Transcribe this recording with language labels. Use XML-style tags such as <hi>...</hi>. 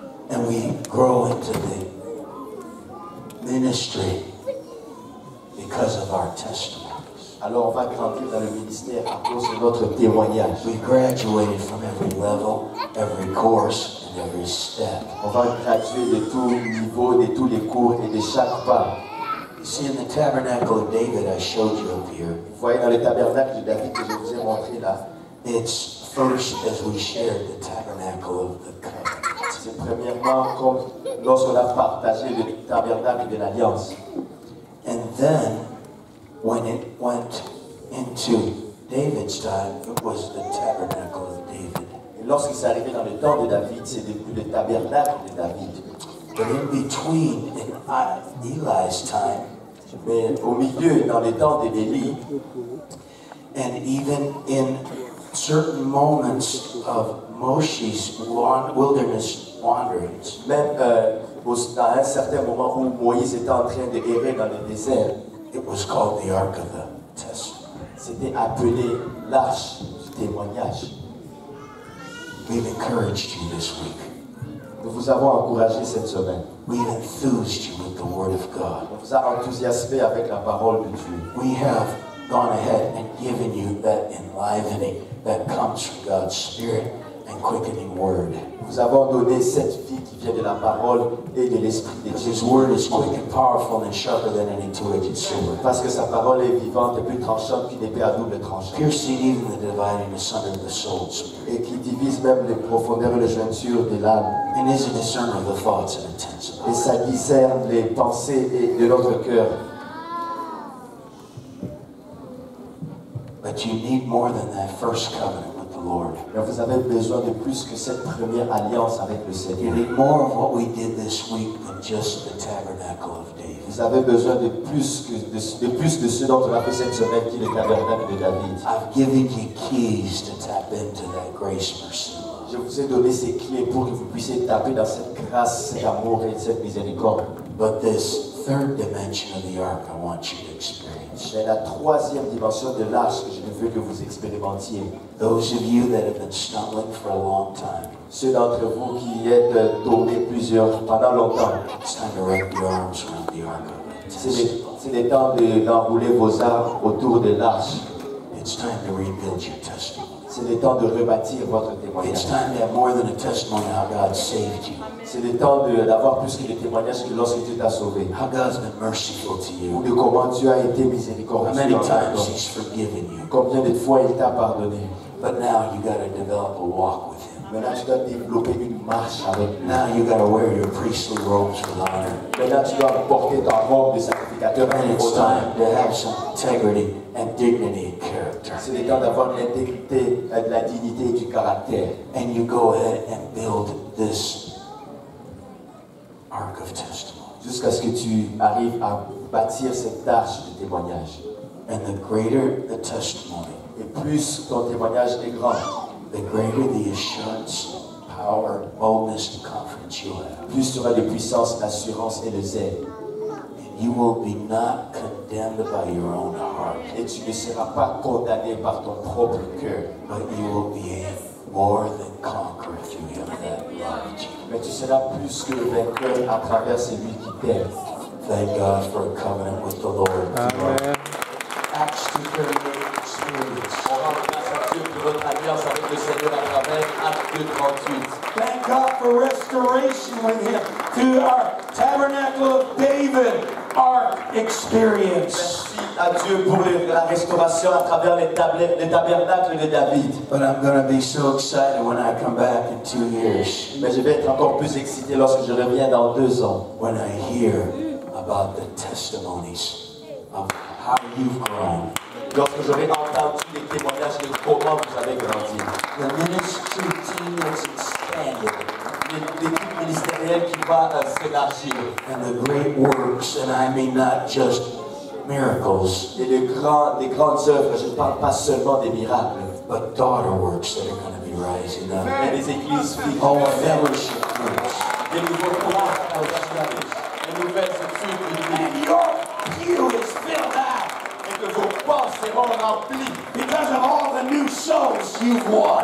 <en>And we grow into the ministry because of our testimony.</en> <fr>Alors on va grandir dans le ministère à cause de notre témoignage.</fr> <en>We graduated from every level, every course, and every step.</en> <fr>On va graduer de tous les niveaux, de tous les cours et de chaque pas.</fr> <en>You see, in the tabernacle of David, I showed you up here.</en> <fr>Vous voyez dans le tabernacle de David que je vous ai montré là.</fr> <en>It's first as we shared the tabernacle of the covenant.</en> <fr>C'est premièrement comme lorsqu'on a partagé le tabernacle de l'alliance.</fr> <en>And then, when it went into David's time, it was the tabernacle of David.</en> <fr>Et lorsqu'il s'est arrivé dans le temps de David, c'est depuis le tabernacle de David.</fr> <en>But in between, in Eli's time,</en> <fr>mais au milieu, dans le temps d'Élie,</fr> <en>and even in certain moments of Moshe's wilderness wanderings,</en> <fr>même dans un certain moment où Moïse était en train de errer dans le désert,</fr> <en>it was called the Ark of the Testimony.</en> <fr>C'était appelé l'Arche du Témoignage.</fr> <en>We've encouraged you this week.</en> <fr>Nous vous avons encouragé cette semaine.</fr> <en>We've enthused you with the Word of God.</en> <fr>On vous a enthousiasmé avec la parole de Dieu.</fr> <en>We have gone ahead and given you that enlivening that comes from God's Spirit and quickening Word.</en> <fr>Nous vous avons donné cette vie qui vient de la parole et de l'Esprit de Dieu.</fr> <en>His Word is quick and powerful and sharper than any two-edged sword.</en> <fr>Parce que sa parole est vivante et plus tranchante qu'une épée à double tranchant.</fr> <en>Piercing even the dividing asunder of the souls.</en> <fr>Et qui divise même les profondeurs et les jointures de l'âme.</fr> <en>And is a discerner of the thoughts and intents.</en> <fr>Et ça discerne les pensées et de notre cœur.</fr> <en>But you need more than that first covenant with the Lord.</en> <fr>Mais vous avez besoin de plus que cette première alliance avec le Seigneur.</fr> <en>You need more of what we did this week than just the tabernacle of David.</en> <fr>Vous avez besoin de plus de ce dont on a fait cette semaine qui est le tabernacle de David.</fr> <en>I've given you keys to tap into that grace mercy.</en> <fr>Je vous ai donné ces clés pour que vous puissiez taper dans cette grâce, cet amour et cette miséricorde.</fr> <en>But this third dimension of the ark, I want you to experience.</en> <fr>C'est la troisième dimension de l'arche que je veux que vous expérimentiez.</fr> <en>Those of you that have been stumbling for a long time.</en> <fr>Ceux d'entre vous qui êtes tombés plusieurs pendant longtemps.</fr> <en>It's time to wrap your arms around the ark.</en> <fr>C'est le temps d'enrouler vos armes autour de l'arche.</fr> <en>It's time to rebuild your testimony.</en> <fr>C'est le temps de rebâtir votre témoignage.</fr> <en>It's time to have more than a testimony how God saved you.</en> <fr>C'est le temps d'avoir plus que le témoignage que lorsque Dieu t'a sauvé.</fr> <en>How God's been merciful to you.</en> <fr>Ou de comment Dieu a été miséricordieux.</fr> <en>How many times He's forgiven you.</en> <fr>Combien de fois il t'a pardonné.</fr> <en>But now you got to develop a walk with Him.</en> <fr>Maintenant tu dois développer une marche avec lui.</fr> <en>Now you got to wear your priestly robes for honor.</en> <fr>Maintenant tu dois porter ta robe de sacrificateur.</fr> <en>And it's time to have some integrity and dignity and character.</en> <fr>C'est le temps d'avoir l'intégrité, de la dignité et du caractère.</fr> <en>And you go ahead and build this ark of testimony.</en> <fr>Jusqu'à ce que tu arrives à bâtir cette arche de témoignage.</fr> <en>And the greater the testimony,</en> <fr>et plus ton témoignage est grand,</fr> <en>the greater the assurance, power, boldness, and confidence you have.</en> <fr>Plus tu auras de puissance, assurance et le zèle.</fr> <en>You will be not condemned by your own heart.</en> <fr>Et tu ne seras pas condamné par ton propre cœur.</fr> <en>But you will be more than conqueror through Him that loved you.</en> <fr>Mais tu seras plus que vainqueur à travers celui qui t'aime.</fr> <en>Thank God for a covenant with the Lord. Amen. Acts 2:38.</en> <fr>On rend grâce à Dieu pour votre alliance avec le Seigneur à travers Acts 2:38.</fr> <en>Thank God for restoration with Him to our tabernacle of David. Our experience.</en> <fr>Merci à Dieu pour la restauration à travers les tabernacles de David.</fr> <en>But I'm going to be so excited when I come back in 2 years.</en> <fr>Mais je vais être encore plus excité lorsque je reviens dans 2 ans.</fr> <en>When I hear about the testimonies of how you've grown.</en> <fr>Lorsque j'aurai entendu les témoignages de comment vous avez grandi.</fr> <en>The ministry team has expanded.</en> <fr>L'équipe ministérielle qui va s'élargir.</fr> <en>And the great works, and I mean not just miracles.</en> <fr>Et les grandes œuvres, je ne parle pas seulement des miracles.</fr> <en>But daughter works that are going to be rising up.</en> <fr>Et les églises qui</fr> <en>ont fellowship groups.</en> <fr>Des nouveaux groupes d'églises. Des nouvelles études.</fr> <en>And your pew is filled out.</en> <fr>Et que vos portes seront remplies.</fr> <en>Because of all the new souls you've won.</en>